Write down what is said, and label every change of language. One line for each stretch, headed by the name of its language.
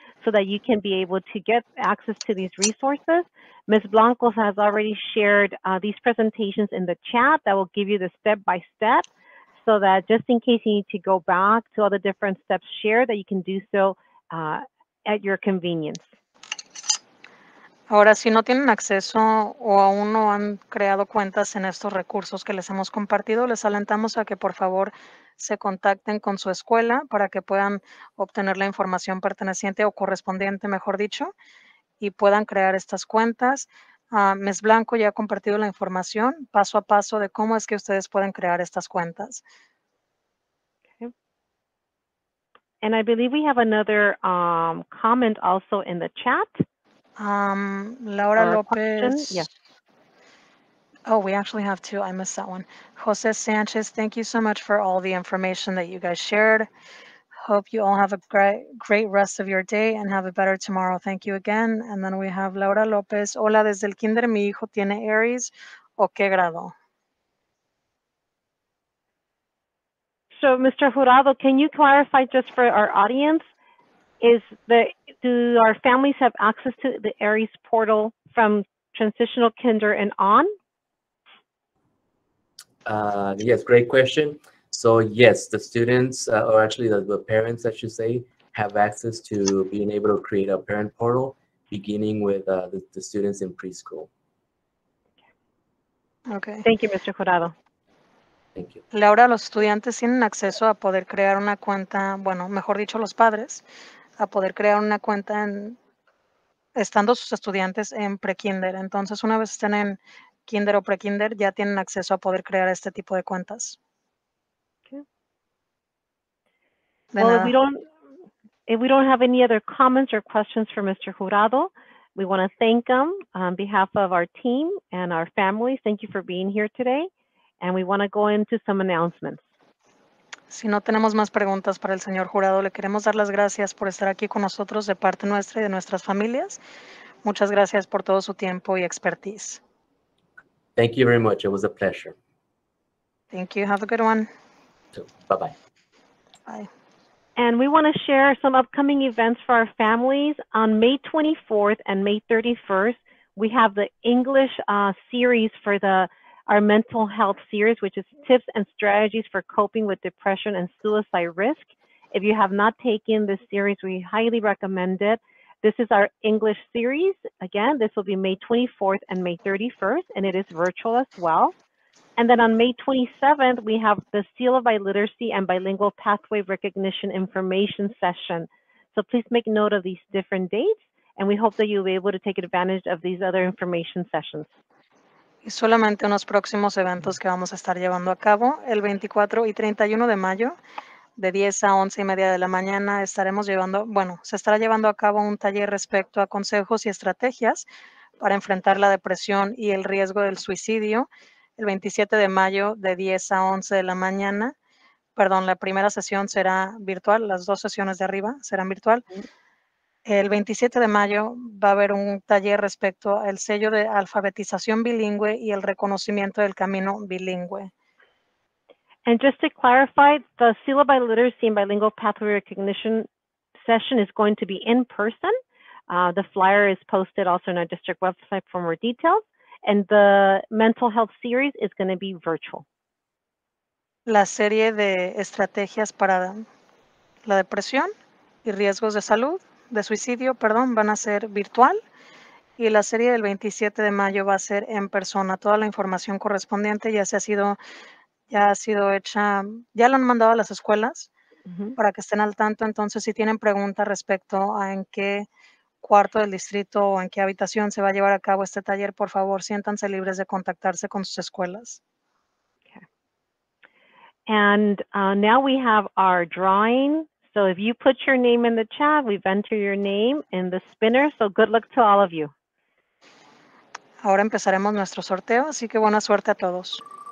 English: so that you can be able to get access to these resources. Ms. Blanco has already shared these presentations in the chat that will give you the step-by-step so that just in case you need to go back to all the different steps shared, that you can do so at your convenience.
Spanish: Ahora, si no tienen acceso o aún no han creado cuentas en estos recursos que les hemos compartido, les alentamos a que, por favor, se contacten con su escuela para que puedan obtener la información perteneciente o correspondiente, mejor dicho, y puedan crear estas cuentas. Ms. Blanco ya ha compartido la información paso a paso de cómo es que ustedes pueden crear estas cuentas.
English: Okay. And I believe we have another comment also in the chat. Laura López. Yeah. Oh, we actually have two. I missed that one. Jose Sanchez, thank you so much for all the information that you guys shared. Hope you all have a great rest of your day and have a better tomorrow. Thank you again. And then we have Laura López.
Spanish: Hola, desde el kinder mi hijo tiene Aries. ¿O qué grado?
English: So, Mr. Jurado, can you clarify just for our audience? Do our families have access to the Aeries portal from transitional kinder and on? Yes, great question. So yes, the students, or actually the parents, I should say, have access to being able to create a parent portal beginning with the students in preschool. Okay. Thank you, Mr. Jurado. Thank you.
Spanish: Laura, los estudiantes tienen acceso a poder crear una cuenta, bueno, mejor dicho, los padres, a poder crear una cuenta en, estando sus estudiantes en pre-kinder. Entonces, una vez estén en kinder o pre-kinder, ya tienen acceso a poder crear este tipo de cuentas.
English: Okay.
Spanish: De nada.
English: Well, if we don't have any other comments or questions for Mr. Jurado, we want to thank him on behalf of our team and our families. Thank you for being here today. And we want to go into some announcements.
Spanish: Si no tenemos más preguntas para el señor Jurado, le queremos dar las gracias por estar aquí con nosotros de parte nuestra y de nuestras familias. Muchas gracias por todo su tiempo y expertise.
English: Thank you very much. It was a pleasure. Thank you. Have a good one. Bye-bye. Bye. And we want to share some upcoming events for our families. On May 24th and May 31st, we have the English series for the our mental health series, which is tips and strategies for coping with depression and suicide risk. If you have not taken this series, we highly recommend it. This is our English series. Again, this will be May 24th and May 31st, and it is virtual as well. And then on May 27th, we have the Seal of Biliteracy and Bilingual Pathway Recognition Information Session. So please make note of these different dates, and we hope that you'll be able to take advantage of these other information sessions.
Spanish: Y solamente unos próximos eventos que vamos a estar llevando a cabo. El 24 y 31 de mayo, de 10 a 11 y media de la mañana, estaremos llevando, bueno, se estará llevando a cabo un taller respecto a consejos y estrategias para enfrentar la depresión y el riesgo del suicidio. El 27 de mayo, de 10 a 11 de la mañana, perdón, la primera sesión será virtual, las dos sesiones de arriba serán virtual. El 27 de mayo va a haber un taller respecto al sello de alfabetización bilingüe y el reconocimiento del camino bilingüe.
English: And just to clarify, the Seal of Biliteracy and Bilingual Pathway Recognition session is going to be in person. The flyer is posted also in our district website for more details. And the mental health series is going to be virtual.
Spanish: La serie de estrategias para la depresión y riesgos de salud. De suicidio, perdón, van a ser virtual y la serie del 27 de mayo va a ser en persona. Toda la información correspondiente ya ha sido hecha, ya la han mandado a las escuelas para que estén al tanto. Entonces, si tienen preguntas respecto a en qué cuarto del distrito o en qué habitación se va a llevar a cabo este taller, por favor, siéntanse libres de contactarse con sus escuelas.
English: Okay. And now we have our drawing. So if you put your name in the chat, we've entered your name in the spinner. So good luck to all of you.
Spanish: Ahora empezaremos nuestro sorteo, así que buena suerte a todos.